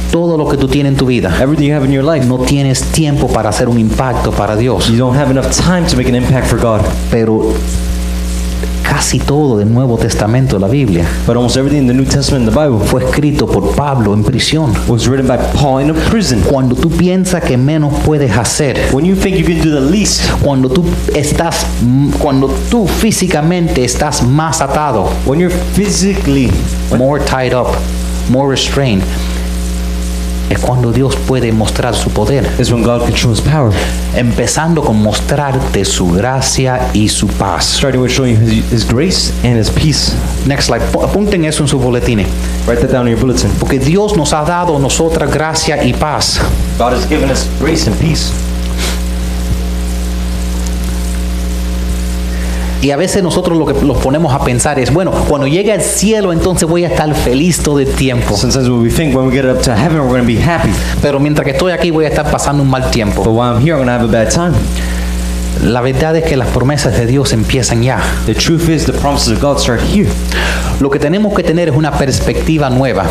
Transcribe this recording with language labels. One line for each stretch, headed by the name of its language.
Spanish: todo lo que tú tienes en tu vida,
English: everything you have in your life,
Spanish: no tienes tiempo para hacer un impacto para Dios.
English: You don't have enough time to make an impact for God.
Spanish: Pero casi todo del Nuevo Testamento de la Biblia,
English: but almost everything in the New Testament, the Bible,
Spanish: fue escrito por Pablo en prisión.
English: Was written by Paul in a prison.
Spanish: Cuando tú piensas que menos puedes hacer,
English: when you think you can do the least,
Spanish: cuando tú físicamente estás más atado,
English: when you're physically more tied up, more restrained,
Spanish: es cuando Dios puede mostrar su poder.
English: It's when God can show his power.
Spanish: Empezando con mostrarte su gracia y su paz.
English: Starting with showing you his grace and his peace. Next slide.
Spanish: Apunten eso en su boletín.
English: Write that down in your bulletin.
Spanish: Porque Dios nos ha dado nosotras gracia y paz.
English: God has given us grace and peace.
Spanish: Y a veces nosotros lo que los ponemos a pensar es, bueno, cuando llegue al cielo, entonces voy a estar feliz todo el tiempo.
English: Sometimes what we think, when we get up to heaven, we're going to be happy.
Spanish: Pero mientras que estoy aquí, voy a estar pasando un mal tiempo.
English: But while I'm here, I'm going to have a bad time.
Spanish: La verdad es que las promesas de Dios empiezan ya.
English: The truth is, the promises of God start here.
Spanish: Lo que tenemos que tener es una perspectiva nueva.